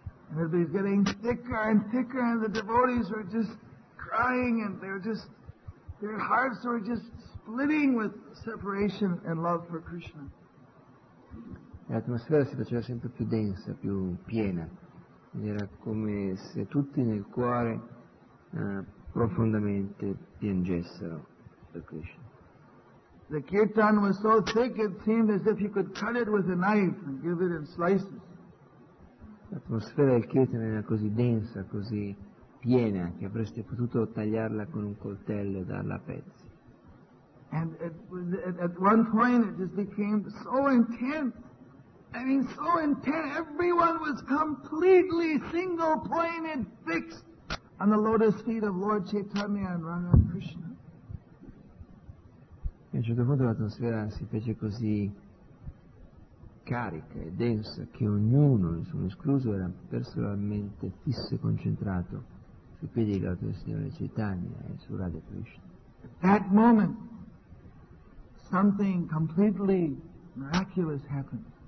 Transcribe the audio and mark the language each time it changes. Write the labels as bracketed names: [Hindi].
[English] And it was getting thicker and thicker, and the devotees were just crying, and they were just, their hearts were just splitting with separation and love for Krishna. [Italian] L'atmosfera si faceva sempre più densa, più piena. Era come se tutti nel cuore profondamente piangessero per Krishna. [English] The kirtan was so thick it seemed as if you could cut it with a knife and give it in slices. [Italian] L'atmosfera del kirtan era così densa, così piena, che avreste potuto tagliarla con un coltello e darla a pezzi. [English] And at one point it just became so intense. I mean, so intense. Everyone was completely single-pointed, fixed on the lotus feet of Lord Chaitanya and Radha Krishna. [Italian] A un certo punto l'atmosfera si fece così carica e densa che ognuno, nessuno escluso, era personalmente fisso e concentrato sui piedi del Signore Chaitanya e su Radha Krishna. [English] At that moment, something completely miraculous happened.